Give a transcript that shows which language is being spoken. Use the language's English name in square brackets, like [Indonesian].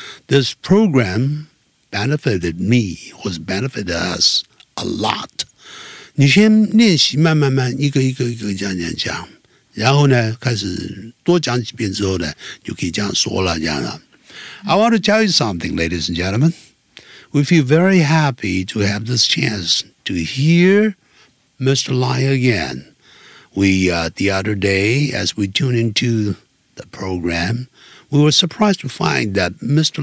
[English] This program benefited me, was benefited us a lot. [Chinese] 你先练习慢慢慢一个一个一个讲，然后呢开始多讲几遍之后呢就可以这样说了，这样了。 [English] I want to tell you something, ladies and gentlemen. We feel very happy to have this chance to hear Mr. Lai again. The other day, as we tuned into the program, we were surprised to find that Mr.